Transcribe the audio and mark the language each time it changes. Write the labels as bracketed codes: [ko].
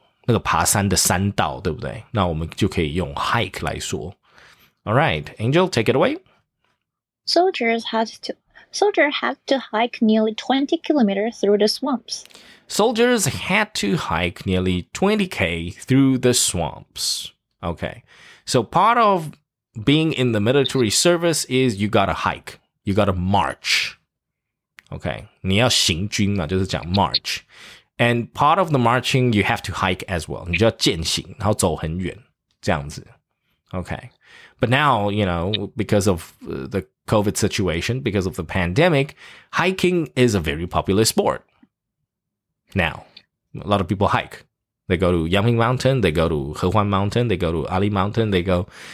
[zh] 我们有一个爬山的山道,对不对?那我们就可以用hike来说. [en] All right, Angel, take it away. Soldiers had to hike nearly 20 kilometers through the swamps. Soldiers had to hike nearly 20K through the swamps. Okay. So part of being in the military service is you gotta hike. You gotta march. Okay. [zh] 你要行军啊,就是讲march. [en] And part of the marching, you have to hike as well. [zh] 你就要健行,然后走很远,这样子. [en] Okay. But now, you know, because of the COVID situation, because of the pandemic, hiking is a very popular sport. Now, a lot of people hike. They go to Yangming Mountain, they go to He Huan Mountain, they go to Ali Mountain, they go...